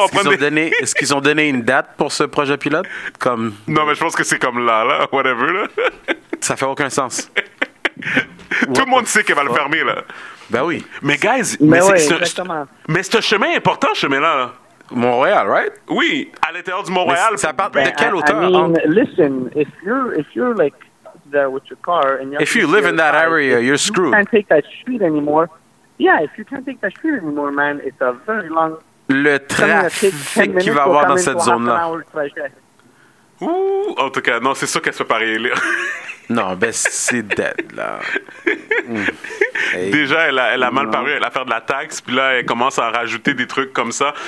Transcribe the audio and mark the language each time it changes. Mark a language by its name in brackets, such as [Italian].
[French] Est-ce qu'ils ont donné une date pour ce projet pilote? Comme non, mais je pense que c'est comme là, whatever. Là. Ça fait aucun sens. Tout le monde sait qu'elle va le fermer là. Ben oui. Mais guys, mais c'est un chemin important, ce chemin-là. Mont-Royal, right? Oui, à l'intérieur du Mont-Royal. Ça part de quelle hauteur? [English] I mean, listen, if you're like there with your car and you're if you live in that area, you're screwed. You can't take that street anymore. Yeah, if you can't take that street anymore, man, it's a very long. [French] Le trafic qu'il va avoir dans cette zone-là. Ouh, en tout cas, non, c'est sûr qu'elle se fait pas réélire. Non, ben c'est dead, là. Déjà, elle a mal paru, elle a fait de la taxe, puis là, elle commence à rajouter des trucs comme ça.